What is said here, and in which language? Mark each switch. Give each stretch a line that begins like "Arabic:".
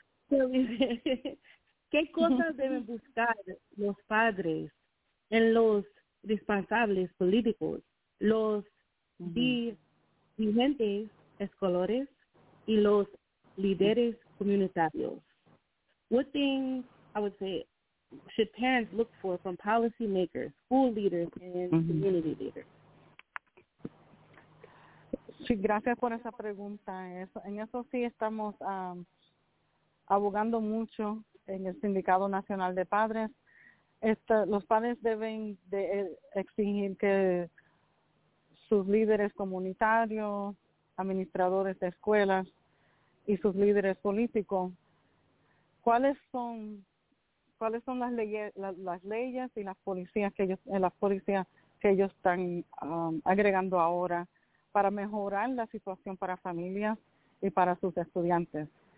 Spanish: Shirley, ¿qué cosas deben buscar los padres en los responsables políticos, los dirigentes escolares y los líderes comunitarios?
English: What things, I would say, should parents look for from policymakers, school leaders, and community leaders?
Spanish: Sí, gracias por esa pregunta. En eso sí estamos abogando mucho en el Sindicato Nacional de Padres. Los padres deben de exigir que sus líderes comunitarios, administradores de escuelas y sus líderes políticos, cuáles son las leyes y las policías que ellos están agregando ahora para mejorar la situación para familias y para sus estudiantes.